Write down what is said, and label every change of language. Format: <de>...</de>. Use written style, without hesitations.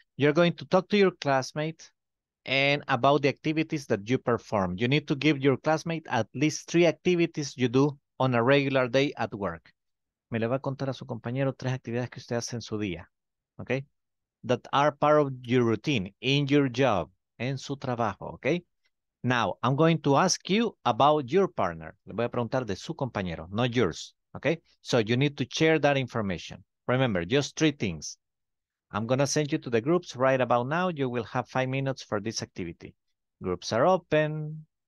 <en>You're going to talk to your classmate and about the activities that you perform. You need to give your classmate at least 3 activities you do on a regular day at work.</en> <es>Me le va a contar a su compañero 3 actividades que usted hace en su día, okay?</es> <en>That are part of your routine in your job,</en> <es>en su trabajo,</es> <en>okay? Now, I'm going to ask you about your partner.</en> <es>Le voy a preguntar de su compañero,</es> <en>not yours, okay? So you need to share that information. Remember, just 3 things. I'm going to send you to the groups right about now. You will have 5 minutes for this activity. Groups are open.</en>